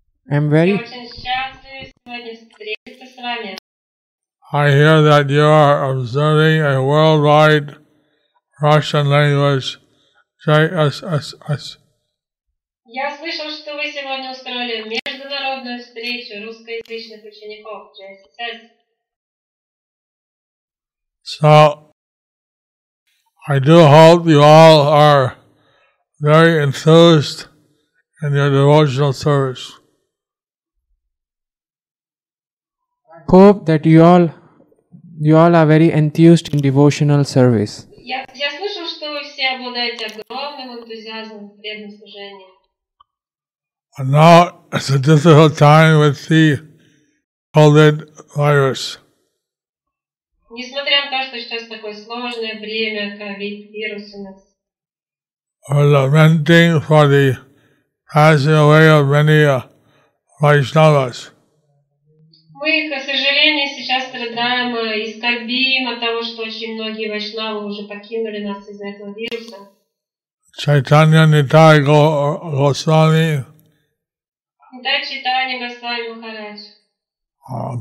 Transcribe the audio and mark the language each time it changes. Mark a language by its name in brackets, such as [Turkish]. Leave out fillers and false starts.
[English] I hear that you are observing a worldwide Russian language JSSS. [Russian] Я слышал, что вы сегодня устроили международную встречу русскоязычных учеников JSSS. [English] So, I do hope you all are very enthused in your devotional service. Hope that you all are very enthused in devotional service. [Russian] Я слышал, что вы все обладаете огромным энтузиазмом в преданном служении. [English] And now it's a difficult time with the COVID virus. [Russian] Несмотря на то, что сейчас такое сложное время, COVID-вирус у нас. [English] We're lamenting for the passing away of many Vaishnavas. [Russian] Мы, к сожалению, сейчас страдаем и скорбим от того, что очень многие Вайшнавы уже покинули нас из-за этого вируса. Чайтанья Нитай Госвами. Нитай Чайтанья Госвами Махарадж.